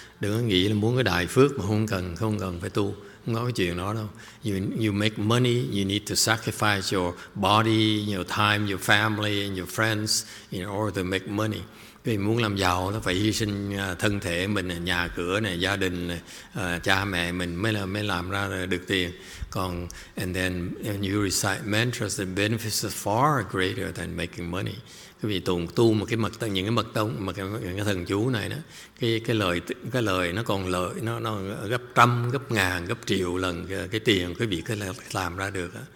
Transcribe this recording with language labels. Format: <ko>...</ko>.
<vi>Đừng nghĩ là muốn cái đại phước mà không cần phải tu, không có cái chuyện đó đâu.</vi> <en>You make money, you need to sacrifice your body, your time, your family and your friends in order to make money.</en> <vi>Vì muốn làm giàu nó phải hy sinh thân thể mình, nhà cửa này, gia đình này, cha mẹ mình mới làm ra được tiền.</vi> <en>Còn and then when you recite mantras, the benefits are far greater than making money.</en> <vi>Cái vì tu một cái mật tông, những cái mật tông mà cái thần chú này đó, cái lời nó còn lợi, nó gấp trăm, gấp ngàn, gấp triệu lần cái tiền quý vị có làm ra được.</vi>